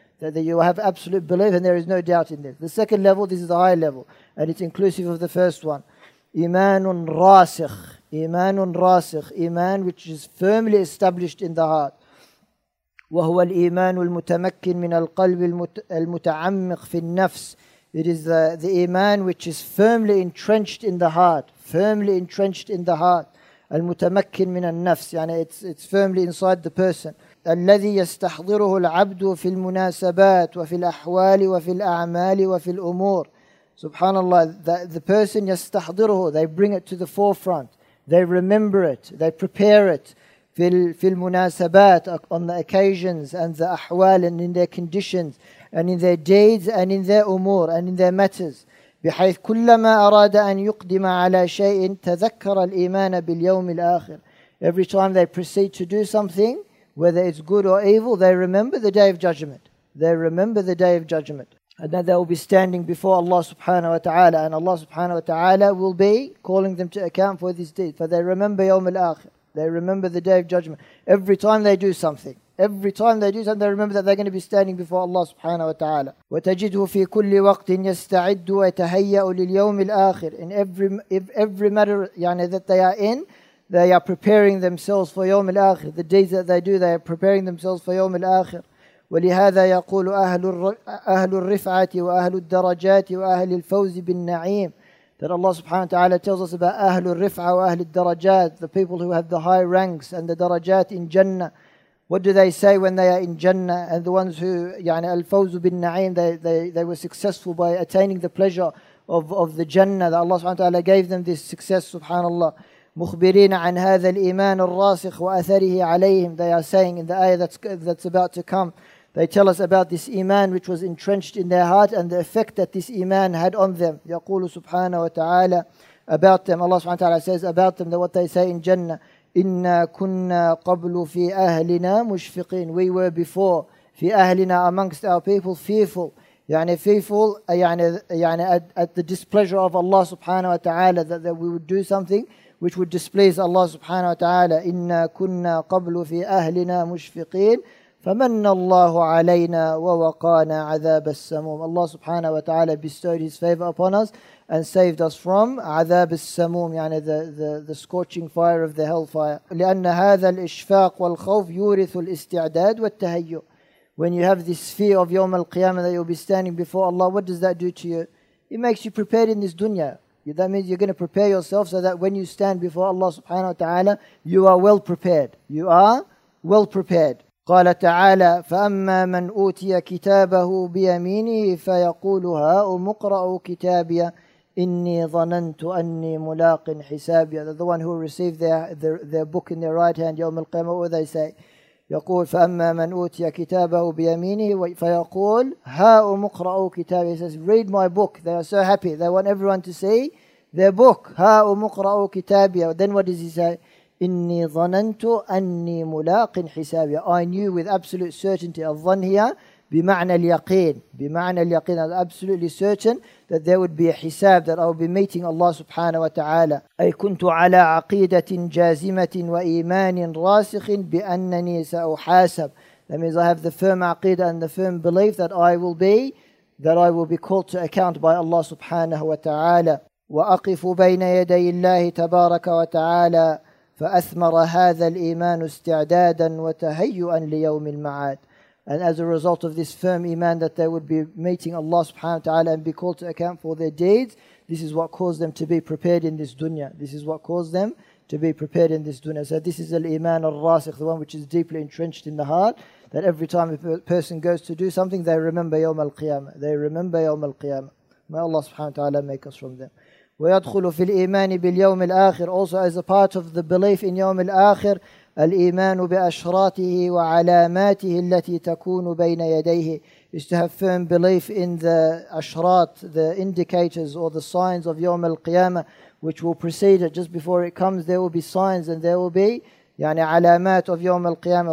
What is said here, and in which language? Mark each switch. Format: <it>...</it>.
<en>that you have absolute belief and there is no doubt in this. The second level, this is the higher level, and it's inclusive of the first one. Imanun raasikh. Imanun raasikh. Iman which is firmly established in the heart.</en> <ar>وهو الإيمان المتمكن من القلب المتعمق في النفس.</ar> <en>It is the iman which is firmly entrenched in the heart, firmly entrenched in the heart. المتمكن من النفس, يعني it's firmly inside the person.</en> <ar>الذي يستحضره العبد في المناسبات وفي الأحوال وفي الأعمال وفي الأمور.</ar> <en>Subhanallah, the person</en> <ar>يستحضره,</ar> <en>they bring it to the forefront, they remember it, they prepare it.</en> <ar>في المناسبات,</ar> <en>on the occasions and the أحوال, and in their conditions and in their deeds and in their أمور and in their matters.</en> <ar>بحيث كلما أراد أن يقدم على شيء تذكر الإيمان باليوم الآخر.</ar> <en>Every time they proceed to do something, whether it's good or evil, they remember the Day of Judgment. They remember the Day of Judgment. And that they will be standing before Allah subhanahu wa ta'ala, and Allah subhanahu wa ta'ala will be calling them to account for this deed. For they remember يوم الآخر. They remember the Day of Judgment. Every time they do something, every time they do something, they remember that they're going to be standing before Allah subhanahu wa ta'ala.</en> <ar>وَتَجِدْهُ فِي كُلِّ وَقْتٍ يَسْتَعِدُّ وَيَتَهَيَّأُ لِلْيَوْمِ الْآخِرِ.</ar> <en>In every matter يعني, that they are in, they are preparing themselves for يوم الآخر. The deeds that they do, they are preparing themselves for يوم الآخر.</en> <ar>وَلِهَذَا يَقُولُ أَهْلُ الرِّفْعَةِ وَأَهْلُ الدَّرَجَاتِ وَأَهْلِ الْفَوْزِ بِالنَّعِيمِ.</ar> <en>That Allah subhanahu wa ta'ala tells us about Ahlul Rif'a wa Ahlul Darajat, the people who have the high ranks and the Darajat in Jannah. What do they say when they are in Jannah? And the ones who,</en> <ar>يعني الفوز بالنعيم,</ar> <en>they were successful by attaining the pleasure of the Jannah, that Allah subhanahu wa ta'ala gave them this success, subhanallah.</en> <ar>مخبرين عن هذا الإيمان الراسخ وأثره عليهم.</ar> <en>They are saying in the ayah that's about to come, they tell us about this iman which was entrenched in their heart and the effect that this iman had on them.</en> <ar>يقول سبحانه وتعالى</ar> <en>about them. Allah سبحانه وتعالى says about them that what they say in Jannah.</en> <ar>إنا كنا قبل في أهلنا مشفقين.</ar> <en>We were before</en> <ar>في أهلنا</ar> <en>amongst our people fearful. يعني fearful. يعني at the displeasure of Allah سبحانه وتعالى that we would do something which would displease Allah سبحانه وتعالى.</en> <ar>إنا كنا قبل في أهلنا مشفقين. فَمَنَّ اللَّهُ عَلَيْنَا وَوَقَانَا عَذَابَ السَّمُومِ.</ar> <en>Allah subhanahu wa ta'ala bestowed His favor upon us and saved us from</en> <ar>عَذَابَ السَّمُومِ,</ar> <en>يعني the scorching fire of the hellfire.</en> <ar>لِأَنَّ هَذَا الْإِشْفَاقُ وَالْخَوْفُ يُورِثُ الْإِسْتِعْدَادُ وَالْتَهَيُّ.</ar> <en>When you have this fear of يوم القيامة that you'll be standing before Allah, what does that do to you? It makes you prepared in this dunya. That means you're going to prepare yourself so that when you stand before Allah subhanahu wa ta'ala, you are well prepared. You are well prepared.</en> <ar>قال تعالى فأما من أوتي كتابه بيمينه فيقول هاؤم اقرأوا كتابي إني ظننت أني ملاق حسابي.</ar> <en>The one who received their book in their right hand يوم القيامة, what they say?</en> <ar>يقول فأما من أوتي كتابه بيمينه فيقول هاؤم اقرأوا كتابي.</ar> <en>He says, read my book. They are so happy. They want everyone to see their book.</en> <ar>هاؤم اقرأوا كتابي.</ar> <en>Then what does he say?</en> <ar>إني ظننت أني ملاق حسابي.</ar> <en>I knew with absolute certainty.</en> <ar>الظن هي بمعنى اليقين. بمعنى اليقين.</ar> <en>I'm absolutely certain that there would be a حساب, that I would be meeting Allah سبحانه وتعالى.</en> <ar>أي كنت على عقيدة جازمة وإيمان راسخ بأنني سأحاسب.</ar> <en>That means I have the firm عقيدة and the firm belief that I will be called to account by Allah سبحانه وتعالى.</en> <ar>وأقف بين يدي الله تبارك وتعالى فأثمر هذا الإيمان استعدادا وتهيئا ليوم المعاد.</ar> <en>And as a result of this firm iman that they would be meeting Allah subhanahu wa ta'ala and be called to account for their deeds, this is what caused them to be prepared in this dunya. This is what caused them to be prepared in this dunya. So this is al-iman al-rasikh, the one which is deeply entrenched in the heart, that every time a person goes to do something, they remember يوم القيامة. They remember يوم القيامة. May Allah subhanahu wa ta'ala make us from them.</en> <ar>ويدخل في الإيمان باليوم الآخر.</ar> <en>Also as a part of the belief in</en> <ar>يوم الآخر, الإيمان بأشراطه وعلاماته التي تكون بين يديه.</ar> <en>Is to have firm belief in the أشراط, the indicators or the signs of يوم القيامة, which will precede it. Just before it comes, there will be signs and there will be</en> <ar>يعني علامات</ar> <en>of يوم القيامة.</en>